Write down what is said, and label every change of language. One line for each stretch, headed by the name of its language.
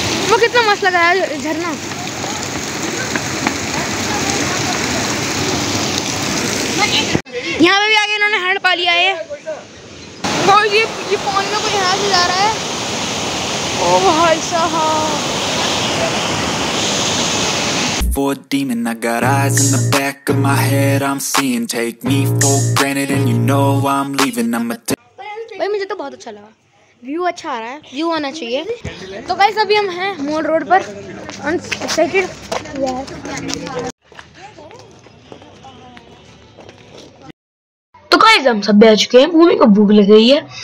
Hindi: वो कितना मस्त लगा है झरना यहाँ पे भी आगे इन्होंने हैंड पा लिया है ये पानी में कोई यहाँ से जा रहा है ओ भाई साहब
English: For a demon, I got eyes in the back of my head. I'm seeing, take me for granted, and you know I'm leaving. I'm a.
Hindi: भाई मुझे तो बहुत अच्छा लगा. View अच्छा आ रहा है. View आना चाहिए. तो गाइस अभी हम हैं मोल रोड पर.
English: Unexpected.
Hindi: तो गाइस हम सब आ चुके हैं. मम्मी को भूख लग गई है.